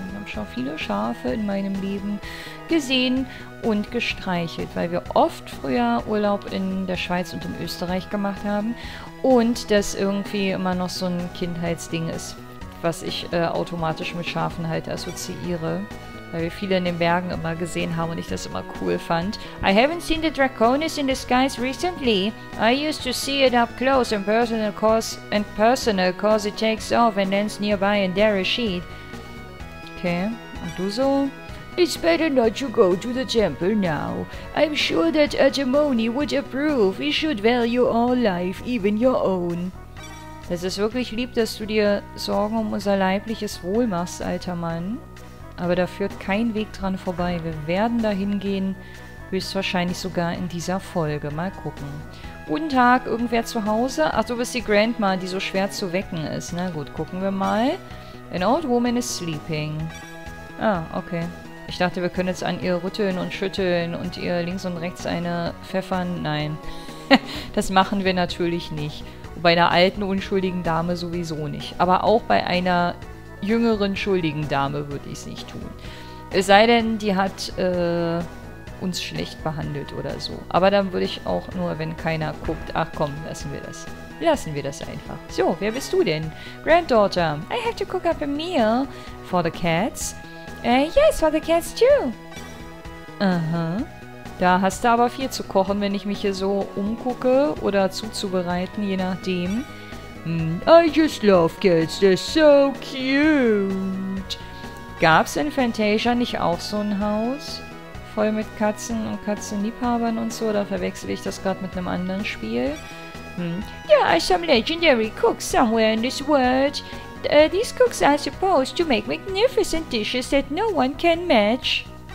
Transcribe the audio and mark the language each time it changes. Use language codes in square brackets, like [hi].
[de] Ich habe schon viele Schafe in meinem Leben gesehen und gestreichelt, weil wir oft früher Urlaub in der Schweiz und in Österreich gemacht haben und das irgendwie immer noch so ein Kindheitsding ist, was ich automatisch mit Schafen halt assoziiere, weil wir viele in den Bergen immer gesehen haben und ich das immer cool fand. [en] I haven't seen the Draconis in the skies recently. I used to see it up close and personal cause it takes off and lands nearby in Dereshid. [de] Okay, und du so? [en] It's better not to go to the temple now. I'm sure that Atemoni would approve. We should value all life, even your own. [de] Es ist wirklich lieb, dass du dir Sorgen um unser leibliches Wohl machst, alter Mann. aber da führt kein Weg dran vorbei. Wir werden da hingehen, höchstwahrscheinlich sogar in dieser Folge. Mal gucken. Guten Tag, irgendwer zu Hause? Ach, du bist die Grandma, die so schwer zu wecken ist. Na gut, gucken wir mal. [en] An old woman is sleeping. [de] Ah, okay. Ich dachte, wir können jetzt an ihr rütteln und schütteln und ihr links und rechts eine pfeffern. Nein, das machen wir natürlich nicht. Bei einer alten, unschuldigen Dame sowieso nicht. Aber auch bei einer jüngeren, schuldigen Dame würde ich es nicht tun. Es sei denn, die hat uns schlecht behandelt oder so. Aber dann würde ich auch nur, wenn keiner guckt, ach komm, lassen wir das. Lassen wir das einfach. So, wer bist du denn? Granddaughter. [en] I have to cook up a meal for the cats. Yes, for the cats too. Aha. [de] Da hast du aber viel zu kochen, wenn ich mich hier so umgucke oder zuzubereiten, je nachdem. [en] I just love cats, they're so cute. [de] Gab's in Fantasia nicht auch so ein Haus? Voll mit Katzen und Katzenliebhabern und so? Da verwechsel ich das gerade mit einem anderen Spiel. [en] There are some legendary cooks somewhere in this world. These cooks are supposed to make magnificent dishes that no one can match.